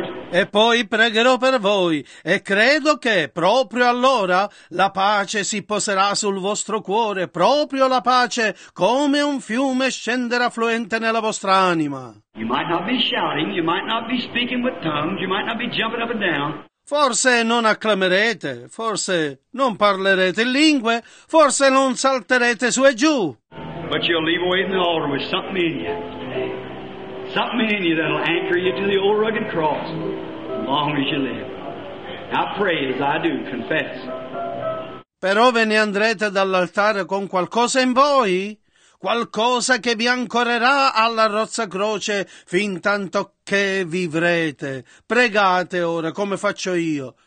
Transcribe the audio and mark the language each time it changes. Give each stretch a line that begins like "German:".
Italian: E poi pregherò per voi e credo che proprio allora la pace si poserà sul vostro cuore, proprio la pace come un fiume scenderà fluente nella vostra anima.
English: You might not be shouting, you might not be speaking with tongues, you might not be jumping up and down.
Italian: Forse non acclamerete, forse non parlerete in lingue, forse non salterete su e giù.
English: But you'll leave away from the altar with something in you. Something in you that'll anchor you to the old rugged cross as long as you live. I pray as I do, confess.
Italian: Però ve ne andrete dall'altare con qualcosa in voi, qualcosa che vi ancorerà alla rozza croce fin tanto che vivrete. Pregate ora come faccio io.